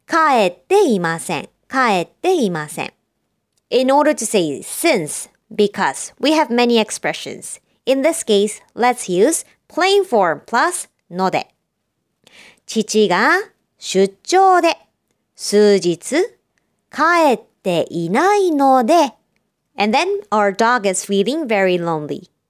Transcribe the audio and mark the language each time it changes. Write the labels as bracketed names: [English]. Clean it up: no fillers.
[Japanese] 帰っていません。帰っていません。 [English] In order to say since, because, we have many expressions. In this case, let's use plain form plus ので. [Japanese] 父が出張で数日帰っていないので。 [English] And then our dog is feeling very lonely.